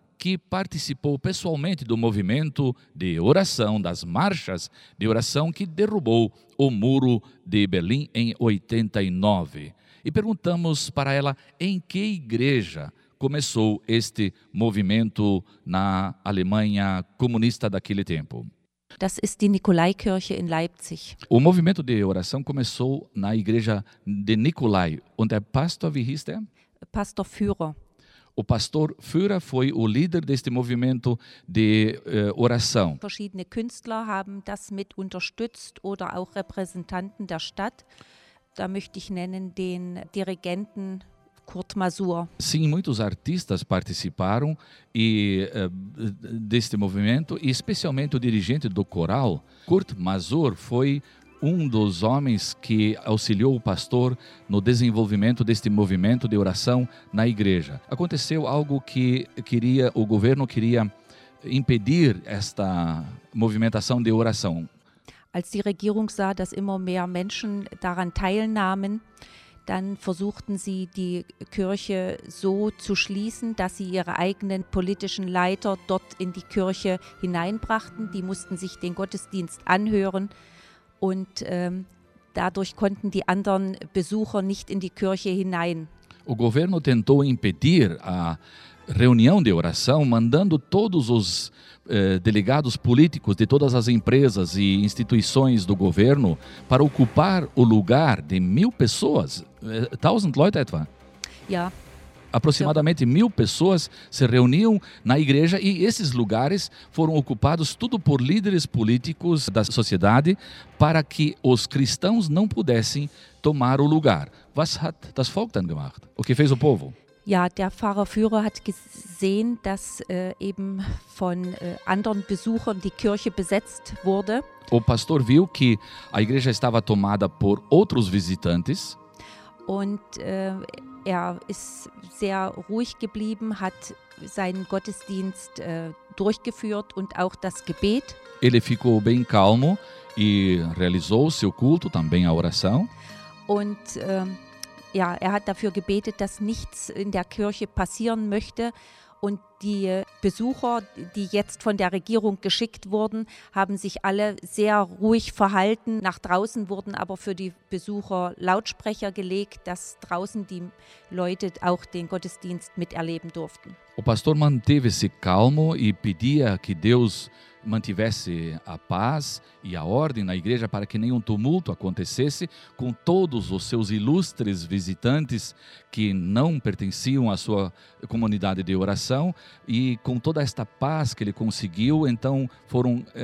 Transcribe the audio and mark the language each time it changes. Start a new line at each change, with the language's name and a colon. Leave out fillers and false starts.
Portuguese: que participou pessoalmente do movimento de oração, das marchas de oração que derrubou o muro de Berlim em 89. E perguntamos para ela em que igreja começou este movimento na Alemanha comunista daquele tempo.
German: Das ist die Nikolaikirche in Leipzig.
Portuguese: O movimento de oração começou na igreja de Nikolai.
German: Und der Pastor, wie hieß der? Pastor Führer.
Portuguese: O pastor Führer foi o líder deste movimento de oração.
German: Verschiedene Künstler haben das mit unterstützt oder auch Repräsentanten der Stadt. Da möchte ich nennen den Dirigenten Kurt Masur.
Portuguese: Sim, muitos artistas participaram deste movimento, e especialmente o dirigente do coral, Kurt Masur, foi um dos homens que auxiliou o pastor no desenvolvimento deste movimento de oração na igreja. Aconteceu algo que o governo queria impedir esta movimentação de oração.
German: Als die Regierung sah, dass immer mehr Menschen daran teilnahmen, dann versuchten sie die Kirche so zu schließen, dass sie ihre eigenen politischen Leiter dort in die Kirche hineinbrachten. Die mussten sich den Gottesdienst anhören und dadurch konnten die anderen Besucher nicht in die Kirche hinein.
Portuguese: O governo tentou impedir a reunião de oração, mandando todos os delegados políticos de todas as empresas e instituições do governo para ocupar o lugar de 1,000 pessoas,
German: 1,000 Leute etwa. Ja.
Portuguese: Aproximadamente 1,000 pessoas se reuniam na igreja e esses lugares foram ocupados tudo por líderes políticos da sociedade para que os cristãos não pudessem tomar o lugar.
German: Was hat das Volk dann gemacht?
Portuguese: O que fez o povo?
German: Ja, der Pfarrer Führer hat gesehen, dass eben von anderen Besuchern die Kirche besetzt wurde.
Portuguese: O pastor viu que a igreja estava tomada por outros visitantes.
German: Und er ist sehr ruhig geblieben, hat seinen Gottesdienst durchgeführt und auch das Gebet.
Portuguese: Ele ficou bem calmo e realizou seu culto, também a oração.
German: Und ja, er hat dafür gebetet, dass nichts in der Kirche passieren möchte. Und die Besucher, die jetzt von der Regierung geschickt wurden, haben sich alle sehr ruhig verhalten. Nach draußen wurden aber für die Besucher Lautsprecher gelegt, dass draußen die Leute auch den Gottesdienst miterleben durften.
Portuguese: O pastor manteve-se calmo e pedia que Deus mantivesse a paz e a ordem na igreja para que nenhum tumulto acontecesse com todos os seus ilustres visitantes que não pertenciam à sua comunidade de oração, e com toda esta paz que ele conseguiu, então foram